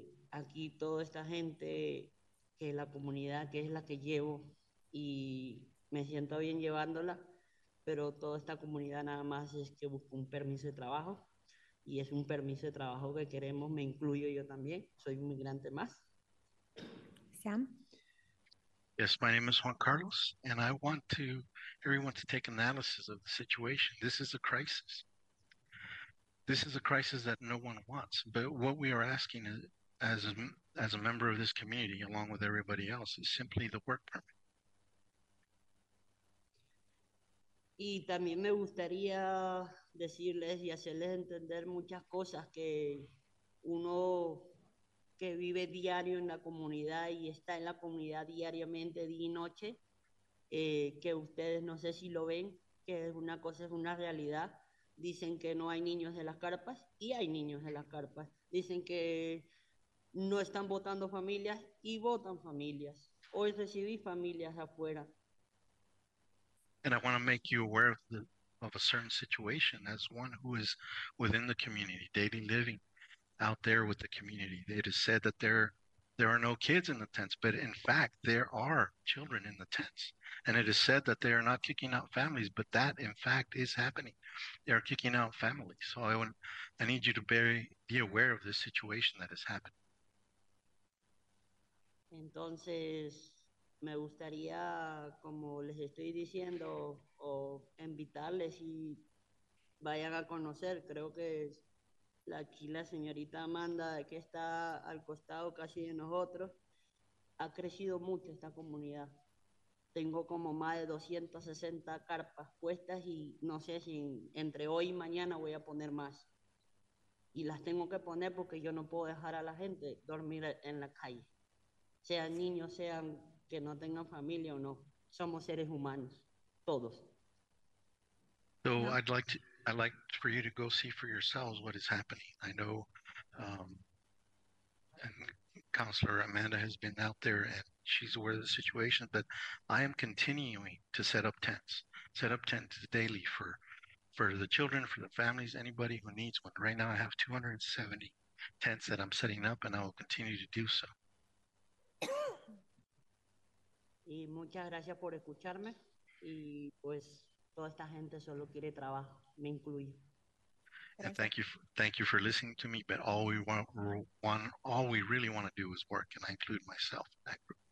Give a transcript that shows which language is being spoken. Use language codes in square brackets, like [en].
[es] Aquí toda esta gente, que la comunidad que es la que llevo, y me siento bien llevándola, pero toda esta comunidad nada más es que busca un permiso de trabajo, y es un permiso de trabajo que queremos, me incluyo yo también, soy un migrante más. [en] Sam. Yes, my name is Juan Carlos, and I want to everyone to take analysis of the situation. This is a crisis. This is a crisis that no one wants. But what we are asking is, as a member of this community, along with everybody else, is simply the work permit. [es] Y también me gustaría decirles y hacerles entender muchas cosas que uno que vive diario en la comunidad y está en la comunidad diariamente, día y noche, que ustedes no sé si lo ven, que es una cosa, es una realidad. Dicen que no hay niños de las carpas y hay niños de las carpas. Dicen que no están votando familias y votan familias. Hoy recibí familias afuera. [en] And I want to make you aware of a certain situation as one who is within the community, daily living. Out there with the community. It is said that there are no kids in the tents, but in fact, there are children in the tents. And it is said that they are not kicking out families, but that in fact is happening. They are kicking out families. So I need you to be aware of this situation that has happened. [es] Entonces, me gustaría, como les estoy diciendo, o invitarles y vayan a conocer, creo que es aquí la señorita Amanda, que está al costado casi de nosotros, ha crecido mucho esta comunidad. Tengo como más de 260 carpas puestas y no sé si entre hoy y mañana voy a poner más. Y las tengo que poner porque yo no puedo dejar a la gente dormir en la calle. Sean niños, sean que no tengan familia o no. Somos seres humanos, todos. [en] So no. I'd like for you to go see for yourselves what is happening. I know Counselor Amanda has been out there and she's aware of the situation, but I am continuing to set up tents daily for the children, for the families, anybody who needs one. Right now I have 270 tents that I'm setting up and I will continue to do so. [es] Y muchas gracias por escucharme y pues toda esta gente solo quiere trabajo. Me incluyo. [en] And thank you for listening to me, but all we really want to do is work, and I include myself in that group.